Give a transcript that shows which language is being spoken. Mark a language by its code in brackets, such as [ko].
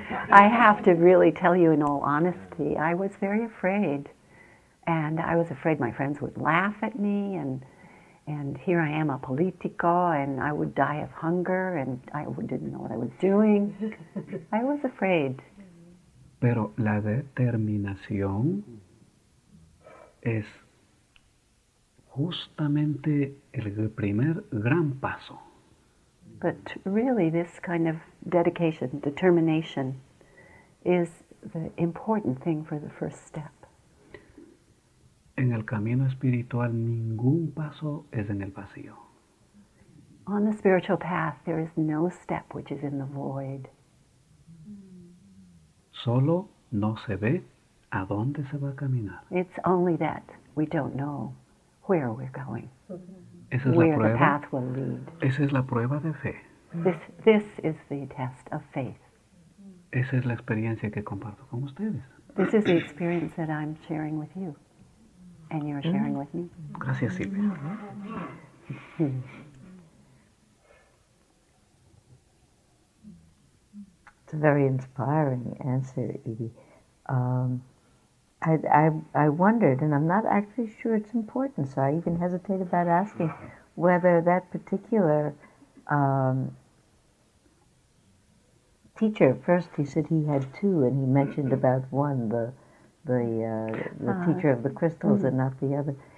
[en] I have to really tell you in all honesty, I was very afraid. And I was afraid my friends would laugh at me. And here I am a político, and I would die of hunger, and I didn't know what I was doing. I was afraid. [es] Pero la determinación es justamente el primer gran paso. [en] But really, this kind of dedication, determination, is the important thing for the first step. [es] En el camino espiritual, ningún paso es en el vacío. [en] On the spiritual path, there is no step which is in the void. [es] Solo no se ve a dónde se va a caminar. [en] It's only that we don't know where we're going. [es] Esa es [en] where [es] la prueba, [en] the path will lead. [es] Esa es la prueba de fe. [en] This is the test of faith. [es] Esa es la experiencia que comparto con ustedes. [en] This is the experience that I'm sharing with you. And you're sharing with me. [es] Gracias, Silvia. [en] It's a very inspiring answer, Edie. I wondered, and I'm not actually sure it's important, so I even hesitate about asking whether that particular teacher, first he said he had two, and he mentioned about one, the teacher of the crystals, and not the other.